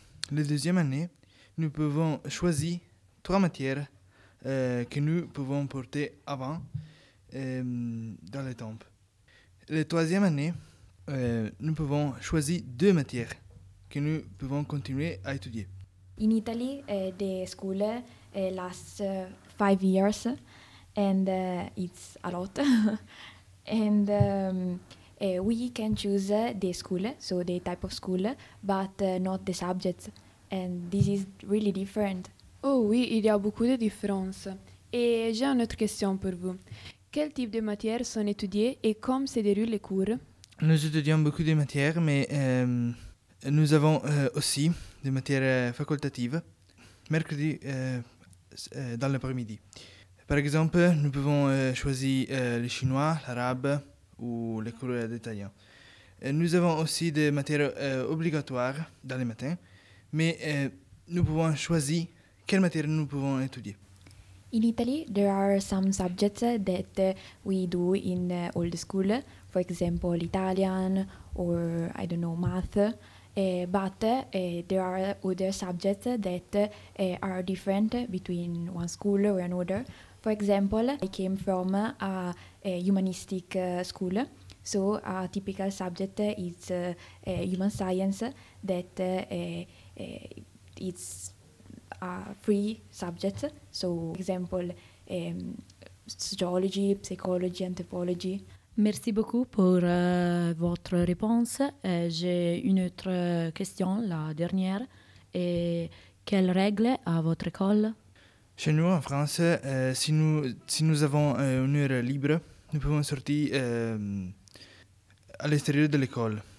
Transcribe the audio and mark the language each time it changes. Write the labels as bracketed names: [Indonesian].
[French] Les deuxièmes années, nous pouvons choisir trois matières que nous pouvons porter avant dans les temps. Les troisièmes années, nous pouvons choisir deux matières que nous pouvons continuer à étudier. [English] In Italy, the school lasts 5 years, and it's a lot. And we can choose the school, so the type of school, but not the subjects. And this is really different. [French] Oh oui, il y a beaucoup de différences. Et j'ai une autre question pour vous. Quel type de matières sont étudiées et comment se déroulent les cours? Nous étudions beaucoup de matières, mais nous avons aussi des matières facultatives, mercredi dans l'après-midi. Par exemple, nous pouvons choisir le chinois, l'arabe ou les cours d'italien. Nous avons aussi des matières obligatoires dans les matins, mais nous pouvons choisir quelles matières nous pouvons étudier. [English] In Italy, there are some subjects that we do in all the school. For example, Italian or I don't know math. But there are other subjects that are different between one school or another. For example, I came from a humanistic school, so a typical subject is human science. That it's three subjects, so example sociology, psychology, anthropology. [French] Merci beaucoup pour votre réponse. J'ai une autre question, la dernière. Et quelles règles a votre école? Chez nous en France, si nous avons une heure libre, nous pouvons sortir à l'extérieur de l'école.